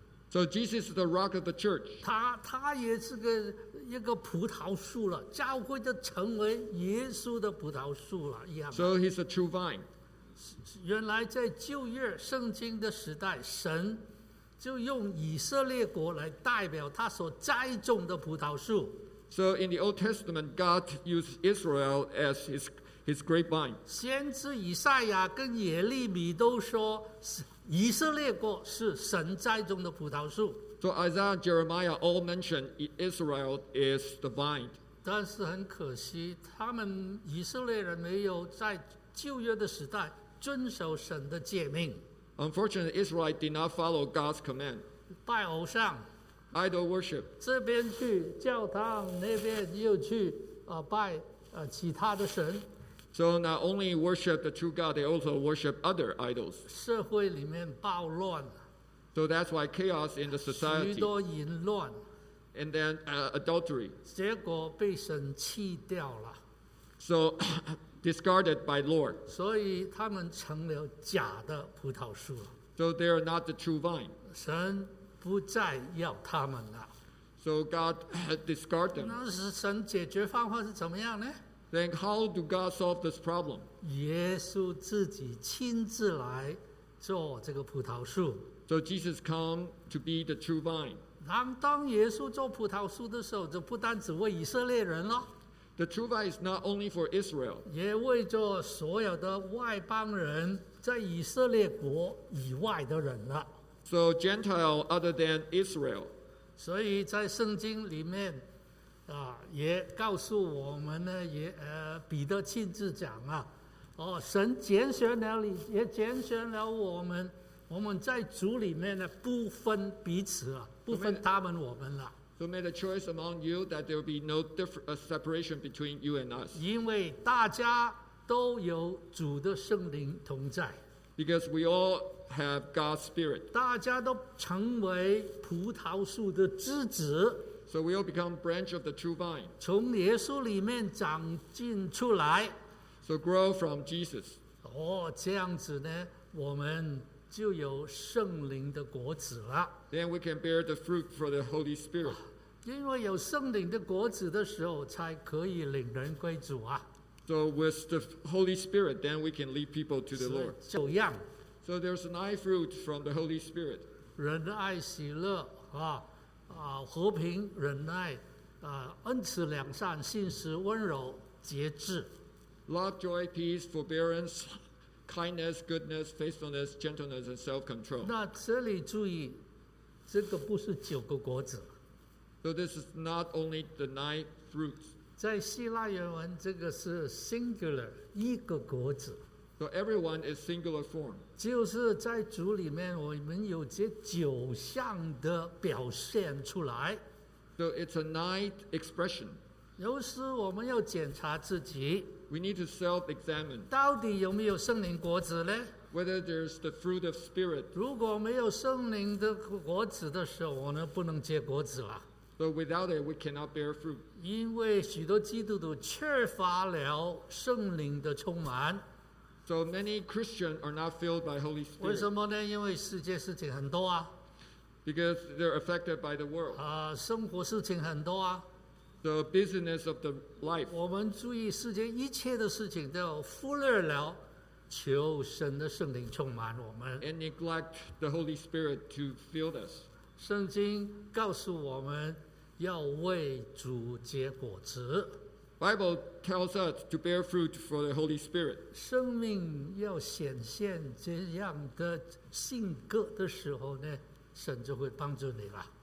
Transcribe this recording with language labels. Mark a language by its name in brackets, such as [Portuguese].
[English] So Jesus is the rock of the church. [Chinese] 他也是个一个葡萄树了，教会就成为耶稣的葡萄树了一样。 [English] So he's a true vine. [Chinese] 原来在旧约圣经的时代，神就用以色列国来代表他所栽种的葡萄树。 [English] So in the Old Testament, God used Israel as his grapevine. [Chinese] 先知以赛亚跟耶利米都说，以色列国是神栽种的葡萄树。 [English] So Isaiah and Jeremiah all mentioned Israel is the vine. [Chinese] 但是很可惜，他们以色列人没有在旧约的时代遵守神的诫命。 [English] Unfortunately, Israel did not follow God's command. [Chinese] 拜偶像 [English] ，idol worship. [Chinese] 这边去教堂，那边又去拜其他的神。 [English] So not only worship the true God, they also worship other idols. [Chinese] 社会里面暴乱。 [English] So that's why chaos in the society. [Chinese] 许多淫乱。 [English] And then adultery. [Chinese] 结果被神弃掉了。 [English] So. Discarded by Lord. [Chinese] 所以他们成了假的葡萄树。 [English] So they are not the true vine. [Chinese] 神不再要他们了。 [English] So God discarded them. [Chinese] 那是神解决方法是怎么样呢？ [English] Then how do God solve this problem? [Chinese] 耶稣自己亲自来做这个葡萄树。 [English] So Jesus come to be the true vine. [Chinese] 当耶稣做葡萄树的时候，就不单只为以色列人了。 [English] The true vine is not only for Israel. [Chinese] 也为着所有的外邦人，在以色列国以外的人了。 [English] So Gentile other than Israel. [Chinese] 所以在圣经里面，也告诉我们呢，彼得亲自讲啊，哦，神拣选了你，也拣选了我们，我们在主里面呢，不分彼此啊，不分他们我们了。 [English] So made a choice among you that there will be no separation between you and us. [Chinese] 因为大家都有主的圣灵同在。 [English] Because we all have God's spirit. [Chinese] 大家都成为葡萄树的枝子。 [English] So we'll become branch of the true vine. [Chinese] 从耶稣里面长进出来。 [English] So grow from Jesus. [Chinese] 哦，这样子呢，我们就有圣灵的果子了。 [English] Then we can bear the fruit for the Holy Spirit. [Chinese] 因为有圣灵的果子的时候，才可以领人归主啊。 [English] So with the Holy Spirit, then we can lead people to the Lord. [Chinese] 九样。 [English] So there's nine fruit from the Holy Spirit. [Chinese] 仁爱、喜乐啊。和平、忍耐、恩慈、良善、信实、温柔、节制。 [English] Love, joy, peace, forbearance, kindness, goodness, faithfulness, gentleness, and self-control. [Chinese] 那这里注意，这个不是九个果子。 [English] So this is not only the nine fruits. [Chinese] 在希腊原文，这个是 singular, 一个果子。 [English] So everyone is singular form. [Chinese] 就是在主里面，我们有这九项的表现出来。 [English] So it's a nine expression. [Chinese] 有时我们要检查自己。 [English] We need to self-examine. [Chinese] 到底有没有圣灵果子呢？ [English] Whether there's the fruit of spirit. [Chinese] 如果没有圣灵的果子的时候，我们不能结果子了。 [English] So without it, we cannot bear fruit. [Chinese] 因为许多基督徒缺乏了圣灵的充满。 [English] So many Christians are not filled by Holy Spirit. [Chinese] 为什么呢？因为世界事情很多啊。 [English] Because they're affected by the world. [Chinese] 生活事情很多啊。 [English] The business of the life. [Chinese] 我们注意世界一切的事情都忽略了，求神的圣灵充满我们。 [English] And neglect the Holy Spirit to fill us. [Chinese] 圣经告诉我们要为主结果子。 [English] Bible tells us to bear fruit for the Holy Spirit. [Chinese] 生命要显现这样的性格的时候呢，神就会帮助你了。